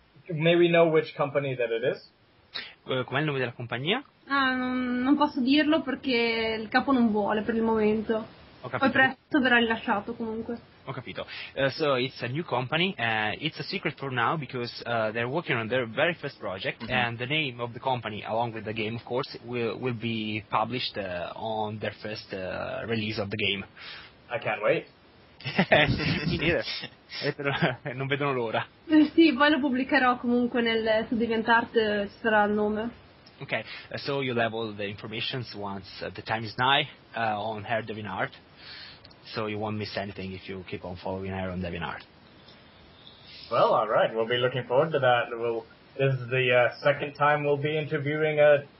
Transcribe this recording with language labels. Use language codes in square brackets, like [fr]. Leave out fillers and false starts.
[en] May we know which company that it is? [it] Com'è il nome della compagnia? Non posso dirlo perché il capo non vuole per il momento. Ho capito. Poi presto verrà rilasciato comunque. Ho capito. [en] So it's a new company. It's a secret for now because they're working on their very first project, mm-hmm. and the name of the company, along with the game, of course, will be published on their first release of the game. I can't wait. Mi neither. [it] Non vedono l'ora. Sì, poi lo pubblicherò comunque nel su DeviantArt, ci sarà il nome. [en] Okay, so you'll have all the information once the time is nigh on her DeviantArt. So you won't miss anything if you keep on following her on DeviantArt. Well, all right, we'll be looking forward to that. This is the second time we'll be interviewing a